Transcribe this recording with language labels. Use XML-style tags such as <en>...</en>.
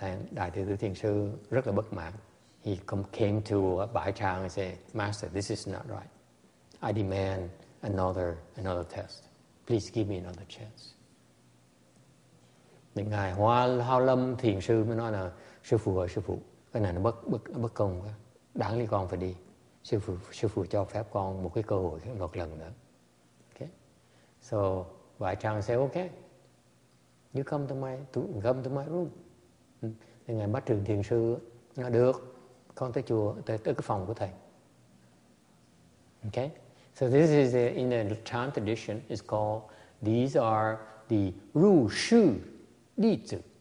<vi>Đại đệ tử Thiền Sư rất là bất mãn.</vi> <en>He came to Bai Chang and said, Master, this is not right. I demand another test. Please give me another chance.</en> <vi>Then Ngài Hoa Hao Lâm Thiền Sư mới nói là, Sư Phụ ơi, Sư Phụ, cái này nó bất công quá. Đáng lý con phải đi. Sư Phụ cho phép con một cái cơ hội một lần nữa. Okay.</vi> <en>So Bai Chang said, okay. You come to my room.</en> <vi>Then Ngài Bát Trường Thiền Sư nói, được. Con tới chùa, tới cái phòng của thầy.</vi> <en>Okay? So this is in the Chan tradition, it's called, these are the Ru Shu Di Zi.</en>